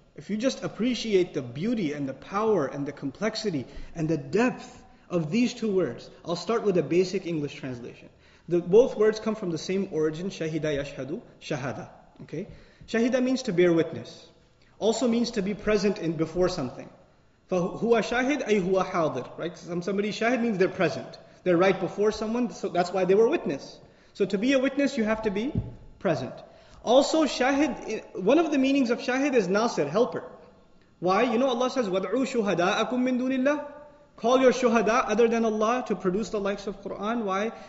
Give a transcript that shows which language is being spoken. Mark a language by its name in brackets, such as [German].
[English] If you just appreciate the beauty and the power and the complexity and the depth of these two words, I'll start with a basic English translation. Both words come from the same origin, shahida yashhadu, shahada. Okay? Shahida means to bear witness. Also means to be present in before something. [Arabic] فَهُوَ شَاهِدْ أَيْهُوَ حَاضِرْ [English] Right? Somebody shahid means they're present. They're right before someone, so that's why they were witness. So to be a witness, you have to be present. Also, shahid, one of the meanings of shahid is nasir, helper. Why? You know Allah says, [Arabic] وَدْعُوا شُهَدَاءَكُمْ مِن دُونِ اللَّهِ [English] Call your shuhada other than Allah to produce the likes of Quran. Why?